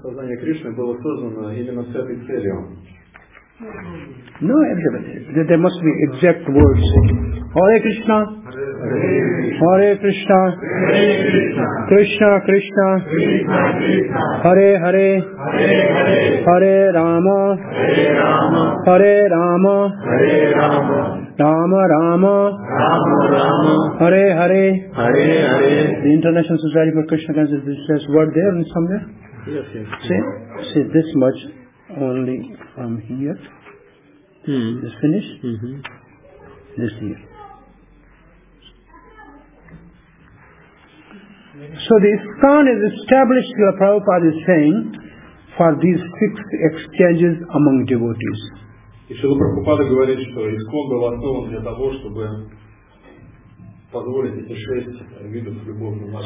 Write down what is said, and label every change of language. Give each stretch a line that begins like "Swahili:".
Russian: Сознание Кришны было создано именно с этой целью.
English: No, everybody. There must be exact words.
Sanskrit: Hare Krishna. Hare Krishna. Hare Krishna. Krishna Krishna. Hare Hare. Hare Rama. Hare Rama. Hare Rama. Rama Rama. Rama. Hare Hare. Hare Hare.
English: The International Society for Krishna Consciousness, is this word there somewhere? Yes, yes. See this much only from here. Is finished? This here. So the ISKCON is established, your Prabhupada is saying, for these six exchanges among devotees.
Russian: И Шрила Прабхупада говорит, что ИСККОН был основан для того, чтобы позволить эти шесть видов любовных.